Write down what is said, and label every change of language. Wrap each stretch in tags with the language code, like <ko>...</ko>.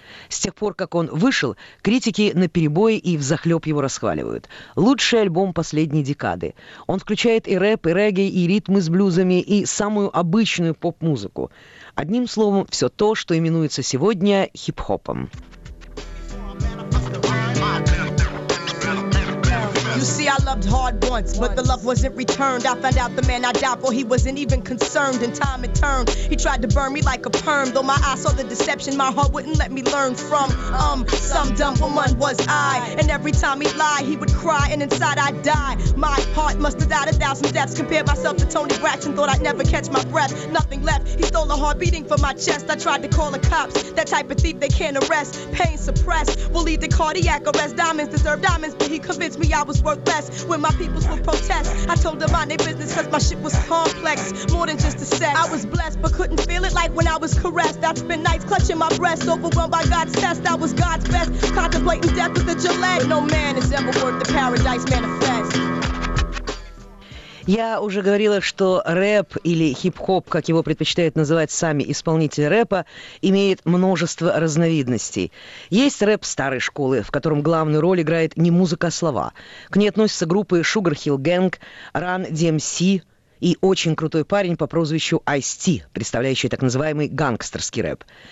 <ru>С тех пор, как он вышел, критики наперебой и взахлеб его расхваливают. Лучший альбом последней декады. Он включает и рэп, и регги, и ритмы с блюзами, и самую обычную поп-музыку. Одним словом, все то, что именуется сегодня хип-хопом.</ru> <en>You see, I loved hard once, but the love wasn't returned. I found out the man I died for, he wasn't even concerned. In time it turned, he tried to burn me like a perm. Though my eyes saw the deception, my heart wouldn't let me learn from some dumb woman was I. And every time he'd lie, he would cry, and inside I'd die. My heart must have died a thousand deaths. Compared myself to Tony Braxton, thought I'd never catch my breath. Nothing left, he stole a heart beating from my chest. I tried to call the cops, that type of thief they can't arrest. Pain suppressed, will lead to cardiac arrest. Diamonds deserve diamonds, but he convinced me I was work less when my peoples would protest. I told them mind their business cause my shit was complex, more than just a sex. I was blessed but couldn't feel it like when I was caressed. I'd spend nights clutching my breast, overwhelmed by God's test. I was God's best, contemplating death with a Gillette. No man has ever worked the paradise manifest.</en> <ru>Я уже говорила, что рэп или хип-хоп, как его предпочитают называть сами исполнители рэпа, имеет множество разновидностей. Есть рэп старой школы, в котором главную роль играет не музыка, а слова. К ней относятся группы Sugar Hill Gang, Run DMC и очень крутой парень по прозвищу Ice-T, представляющий так называемый гангстерский рэп.</ru>